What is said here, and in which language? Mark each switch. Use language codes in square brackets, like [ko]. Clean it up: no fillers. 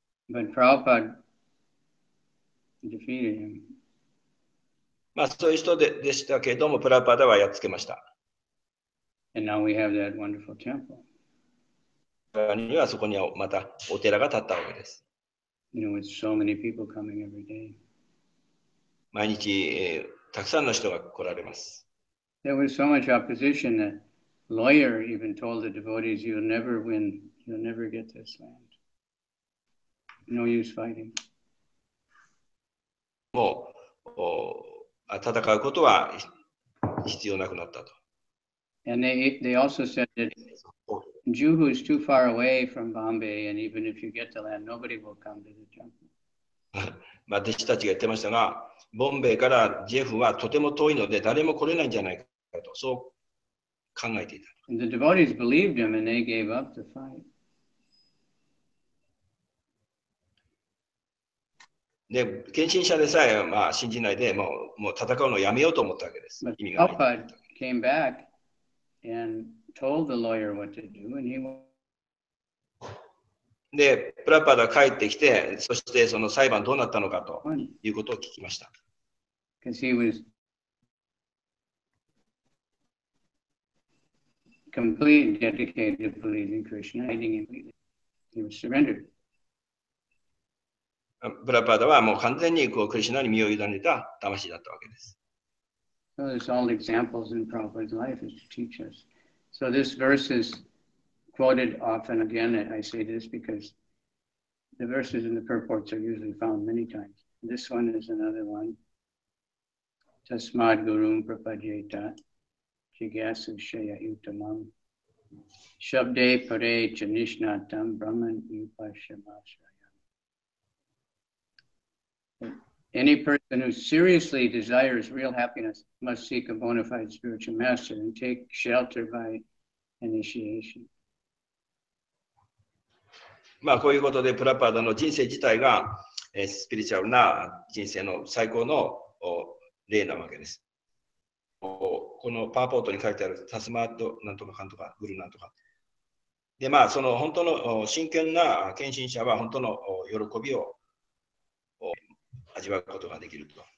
[en] But Prabhupada defeated him. [ja] まあ、そういう人 でしたけれども、プラパダはやっつけました。 [en] And now we have that wonderful temple. [ja] にはそこにはまたお寺が建ったわけです。 [en] You know, with so many people coming every day. [ja] 毎日、たくさんの人が来られます。 [en] There was so much opposition that lawyer even told the devotees, you'll never win, you'll never get this land. No use fighting. [ja] もう、戦うことは必要なくなったと。 [en] And they also said that Juhu is too far away from Bombay, and even if you get the land, nobody will come to the temple. [ja] まあ弟子たちが言ってましたが、ボンベイからジェフはとても遠いので誰も来れないんじゃないかとそう考えていた。 [en] And the devotees believed him, and they gave up the fight. [ja] で、献身者でさえ、まあ、信じないでもう戦うのをやめようと思ったわけです。意味がない。 [en] パパ came back and told the lawyer what to do, and he [ja] で、プラパダ帰ってきて、そしてその裁判どうなったのかということを聞きました。 [en] Because he was completely dedicated to believing Krishna, hating him. He was surrendered. [ja] プラパダはもう完全にこうクリシナに身を委ねた魂だったわけです。 [en] So this all examples in Prabhupada's life is to teach us. So this verse is quoted often again. I say this because the verses in the purports are usually found many times. This one is another one. [sa] Tasmad gurum prapajeta jigyasu shaya yutamam shabde pare chanishnatam brahman upashamasha. [en] Any person who seriously desires real happiness must seek a bona fide spiritual master and take shelter by initiation. [ja] まあこういうことでプラパダの人生自体が、スピリチュアルな人生の最高の例なわけです。このパワーポートに書いてあるタスマートなんとかかんとかグルなんとか。でまあその本当の真剣な献身者は本当の喜びを味わうことができると。